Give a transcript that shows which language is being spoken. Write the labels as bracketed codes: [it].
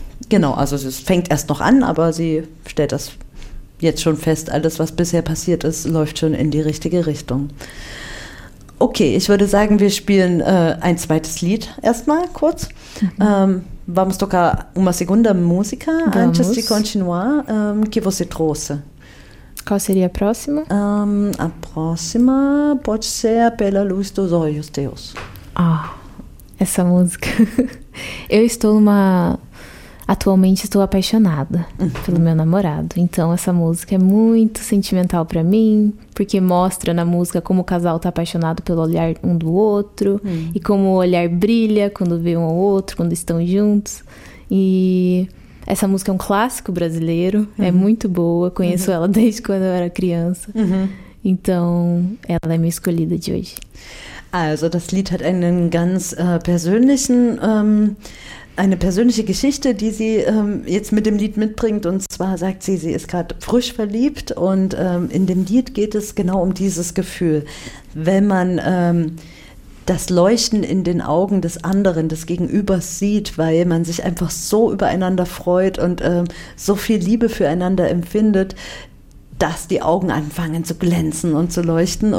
[de] Genau, also es fängt erst noch an, aber sie stellt das jetzt schon fest, alles, was bisher passiert ist, läuft schon in die richtige Richtung. Okay, ich würde sagen, wir spielen ein zweites Lied erstmal kurz. [pt] Vamos tocar uma segunda música antes de continuar. Que você trouxe? Qual seria a próxima? A próxima pode ser Pela Luz dos Olhos Teus. Ah, essa música. Eu estou numa... Atualmente estou apaixonada pelo meu namorado. Então essa música é muito sentimental para mim, porque mostra na música como o casal tá apaixonado pelo olhar um do outro e como o olhar brilha quando vê um ao outro, quando estão juntos. E essa música é um clássico brasileiro, é muito boa, conheço ela desde quando eu era criança. Então ela é minha escolhida de hoje. [de] Also das Lied hat einen ganz persönlichen eine persönliche Geschichte, die sie jetzt mit dem Lied mitbringt. Und zwar sagt sie, sie ist gerade frisch verliebt. Und in dem Lied geht es genau um dieses Gefühl. Wenn man das Leuchten in den Augen des anderen, des Gegenübers sieht, weil man sich einfach so übereinander freut und so viel Liebe füreinander empfindet, dass die Augen anfangen zu glänzen und zu leuchten.